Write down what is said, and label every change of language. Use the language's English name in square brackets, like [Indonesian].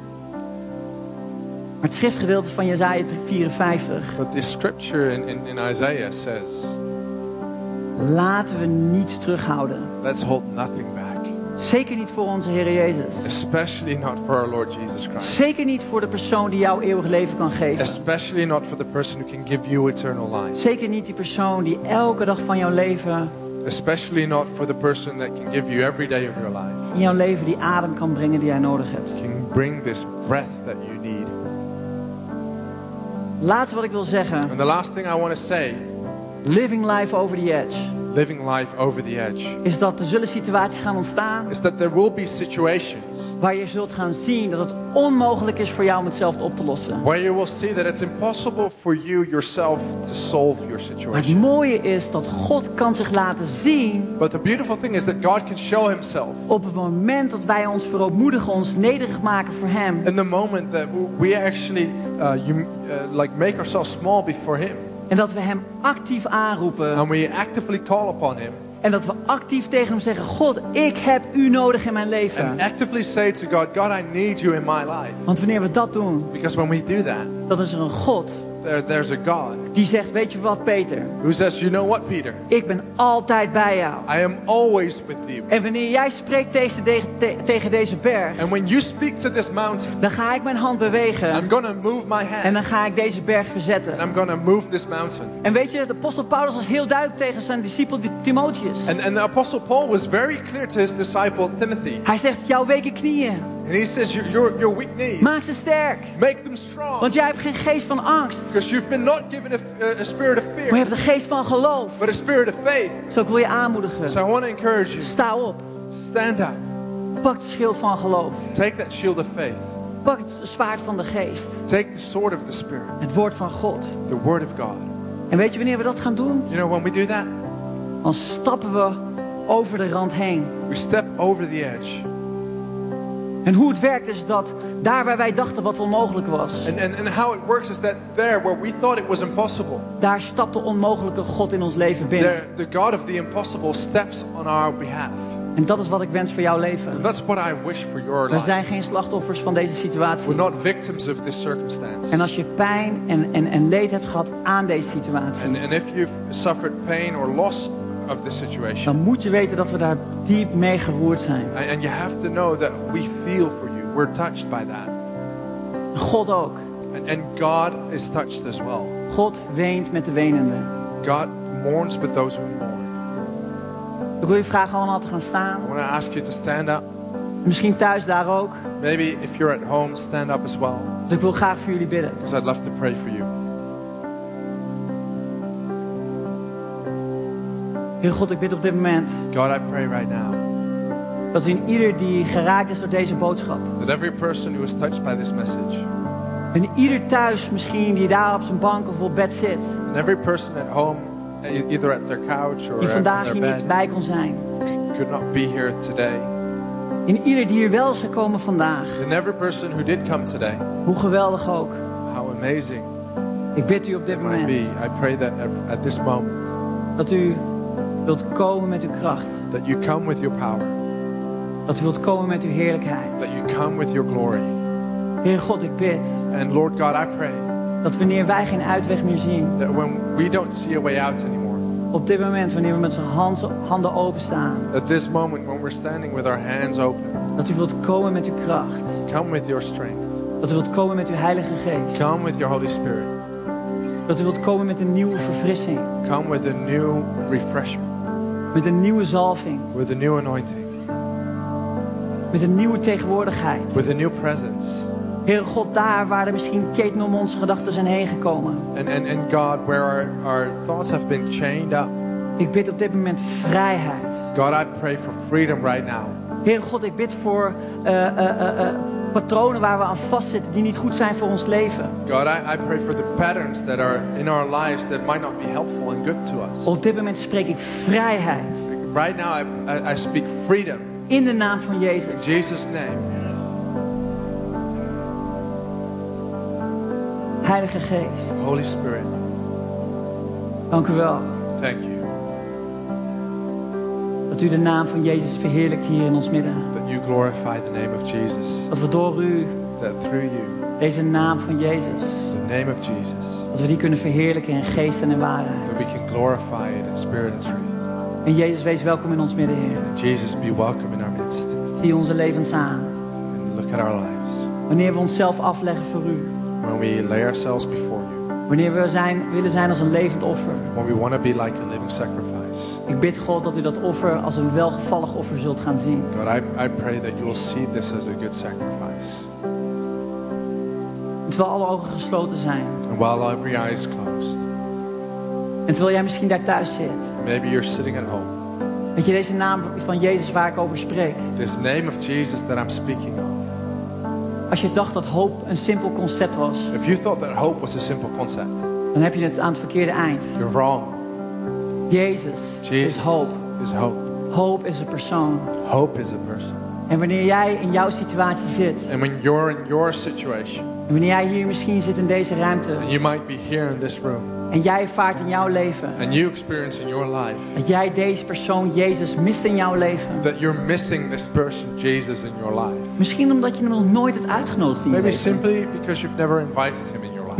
[Dutch] Maar het schriftgedeelte van Jesaja 54. [English] But the scripture in Isaiah says. [Dutch] Laten we niets terughouden. [English] Let's hold nothing back. [Dutch] Zeker niet voor onze Heer Jezus. [English] Especially not for our Lord Jesus Christ. [Dutch] Zeker niet voor de persoon die jou eeuwig leven kan geven. [English] Especially not for the person who can give you eternal life. [Dutch] Zeker niet die persoon die elke dag van jouw leven. [English] Especially not for the person that can give you every day of your life. [Dutch] In jouw leven die adem kan brengen die jij nodig hebt. [English] Can bring this breath that you need. [Dutch] Laatste wat ik wil zeggen. [English] And the last thing I want to say. Living life over the edge. Living life over the edge. [Dutch] Is dat er zullen situaties gaan ontstaan. [English] Is that there will be situations. [Dutch] Waar je zult gaan zien dat het onmogelijk is voor jou om hetzelfde op te lossen. [English] Where you will see that it's impossible for you yourself to solve your situation. [Dutch] Maar het mooie is dat God kan zich laten zien. [English] But the beautiful thing is that God can show himself. [Dutch] Op het moment dat wij ons verootmoedigen, ons nederig maken voor hem. [English] In the moment that we actually make ourselves small before him. [Dutch] En dat we hem actief aanroepen. [English] And we actively call upon him. [Dutch] En dat we actief tegen hem zeggen, God, ik heb u nodig in mijn leven. [English] And actively say to God, God, I need you in my life. [Dutch] Want wanneer we dat doen. [English] Because when we do that. [Dutch] Dat is er een God. [English] There's a God. [Dutch] Die zegt, weet je wat, Peter? [English] Who says, you know what, Peter? [Dutch] Ik ben altijd bij jou. [English] I am always with you. [Dutch] En wanneer jij spreekt tegen deze berg. [English] And when you speak to this mountain. [Dutch] Dan ga ik mijn hand bewegen. [English] I'm gonna move my hand. [Dutch] En dan ga ik deze berg verzetten. [English] And I'm gonna move this mountain. [Dutch] En weet je, de apostel Paulus was heel duidelijk tegen zijn discipel Timotheus. [English] And the apostle Paul was very clear to his disciple Timothy. [Dutch] Hij zegt, jouw weken knieën. [English] And he says, your weak knees. [Dutch] Maak ze sterk. [English] Make them strong. [Dutch] Want jij hebt geen geest van angst. [English] Because you've been not given a spirit of fear. [Dutch] Maar je hebt de geest van geloof. [English] But a spirit of faith. [Dutch] Zo, ik wil je aanmoedigen. [English] So I want to encourage you. [Dutch] Sta op. [English] Stand up. [Dutch] Pak het schild van geloof. [English] Take that shield of faith. [Dutch] Pak het zwaard van de geest. [English] Take the sword of the spirit. [Dutch] Het woord van God. [English] The word of God. [Dutch] En weet je wanneer we dat gaan doen? [English] You know when we do that? [Dutch] Dan stappen we over de rand heen. [English] We step over the edge. [Dutch] En hoe het werkt is dat daar waar wij dachten wat onmogelijk was. [English] And how it works is that there where we thought it was impossible. [Dutch] Daar stapt de onmogelijke God in ons leven binnen. [English] There, the God of the impossible steps on our behalf. [Dutch] En dat is wat ik wens voor jouw leven. [English] And that's what I wish for your [Dutch] life. We zijn geen slachtoffers van deze situatie. [English] We're not victims of this circumstance. [Dutch] En als je pijn en leed hebt gehad aan deze situatie. [English] And if you've suffered pain or loss. Of this situation. [Dutch] Dan moet je weten dat we daar diep mee geroerd zijn. [English] And you have to know that we feel for you. We're touched by that. [Dutch] God ook. [English] And God is touched as well. [Dutch] God weent met de wenenden. [English] God mourns with those who mourn. [Dutch] Ik wil je vragen allemaal te gaan staan. [English] I want to ask you to stand up. [Dutch] Misschien thuis daar ook. [English] Maybe if you're at home, stand up as well. [Dutch] Want ik wil graag voor jullie bidden. [English] Because I'd love to pray for you. [Dutch] Heer God, ik bid op dit moment. [English] God, I pray right now. [Dutch] Dat in ieder die geraakt is door deze boodschap. [English] That every person who is touched by this message. [Dutch] En ieder thuis misschien die daar op zijn bank of op bed zit. [English] And every person at home, either at their couch or [Dutch] die vandaag [English] their [Dutch] hier niet bij kon zijn. [English] Could not be here today. [Dutch] In ieder die hier wel is gekomen vandaag. [English] And every person who did come today. [Dutch] Hoe geweldig ook. [English] How amazing. [Dutch] Ik bid u op dit moment. [English] Be. I pray that at this moment. [Dutch] Dat u wilt komen met uw kracht. [English] That you come with your power. [Dutch] Dat u wilt komen met uw heerlijkheid. [English] That you come with your glory. [Dutch] Heer God, ik bid. [English] And Lord God, I pray. [Dutch] Dat wanneer wij geen uitweg meer zien. [English] That when we don't see a way out anymore. [Dutch] Op dit moment wanneer we met onze handen openstaan. [English] At this moment when we're standing with our hands open. [Dutch] Dat u wilt komen met uw kracht. [English] Come with your strength. [Dutch] Dat u wilt komen met uw Heilige Geest. [English] Come with your Holy Spirit. [Dutch] Dat u wilt komen met een nieuwe verfrissing. [English] Come with a new refreshment. [Dutch] Met een nieuwe zalving. [English] With a new anointing. [Dutch] Met een nieuwe tegenwoordigheid. [English] With a new presence. [Dutch] Heere God, daar waar er misschien keten om onze gedachten zijn heen gekomen. [English] And God, where our thoughts have been chained up. [Dutch] Ik bid op dit moment vrijheid. [English] God, I pray for freedom right now. [Dutch] Heere God, ik bid voor patronen waar we aan vastzitten die niet goed zijn voor ons leven. [English] God, I pray for the patterns that are in our lives that might not be helpful and good to us. [Dutch] Op dit moment spreek ik vrijheid. [English] Right now I speak freedom. [Dutch] In de naam van Jezus. [English] In Jesus' name. [Dutch] Heilige Geest. [English] Holy Spirit. [Dutch] Dank u wel. [English] Thank you. [Dutch] Dat u de naam van Jezus verheerlijkt hier in ons midden. [English] That you glorify the name of Jesus. [Dutch] Dat we door u. [English] That through you. [Dutch] Deze naam van Jezus. [English] The name of Jesus. [Dutch] Dat we die kunnen verheerlijken in geest en in waarheid. [English] That we can glorify it in spirit and truth. [Dutch] En Jezus, wees welkom in ons midden, Heer. [English] And Jesus, be welcome in our midst. [Dutch] Zie onze levens aan. [English] And look at our lives. [Dutch] Wanneer we onszelf afleggen voor u. [English] When we lay ourselves before you. [Dutch] Wanneer we willen zijn als een levend offer. [English] When we want to be like a living sacrifice. [Dutch] Ik bid God dat u dat offer als een welgevallig offer zult gaan zien. [English] God, I pray that you will see this as a good sacrifice. [Dutch] En terwijl alle ogen gesloten zijn. [English] And while every eye is closed. [Dutch] En terwijl jij misschien daar thuis zit. [English] Maybe you're sitting at home. [Dutch] Weet je deze naam van Jezus waar ik over spreek? [English] This name of Jesus that I'm speaking of. [Dutch] Als je dacht dat hoop een simpel concept was. [English] If you thought that hope was a simple concept. [Dutch] Dan heb je het aan het verkeerde eind. [English] You're wrong. [Dutch] Jezus is hoop. [English] Is hope. Hope is a person. Hope is a person. [Dutch] En wanneer jij in jouw situatie zit. [English] And when you're in your situation. [Dutch] En wanneer jij hier misschien zit in deze ruimte. [English] And you might be here in this room. [Dutch] En jij ervaart in jouw leven. [English] And you experience in your life. [Dutch] Dat jij deze persoon Jezus mist in jouw leven. [English] That you're missing this person Jesus in your life. [Dutch] Misschien omdat je hem nog nooit hebt uitgenodigd in je leven. [English] Maybe simply because you've never invited him in your life.